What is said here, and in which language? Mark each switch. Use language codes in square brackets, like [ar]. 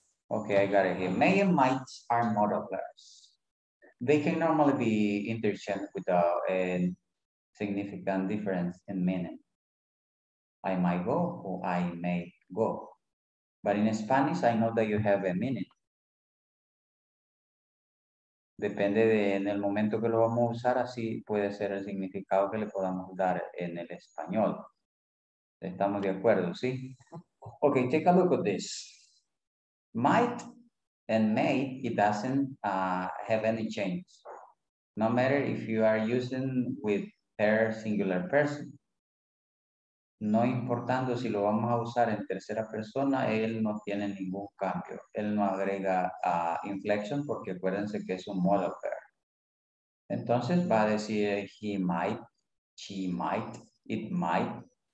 [en] Okay, I got it here. May and might are modifiers. They can normally be interchanged without a significant difference in meaning. I might go or I may go. But in Spanish, I know that you have a meaning. [es] Depende de en el momento que lo vamos a usar, así puede ser el significado que le podamos dar en el español. Estamos de acuerdo, ¿sí? [en] Okay, take a look at this. Might and may, it doesn't have any change. No matter if you are using with pair singular person. [es] No importando si lo vamos a usar en tercera persona, él no tiene ningún cambio. Él no agrega inflection porque acuérdense que es un modal pair. Entonces va a decir [en] he might, she might, it might.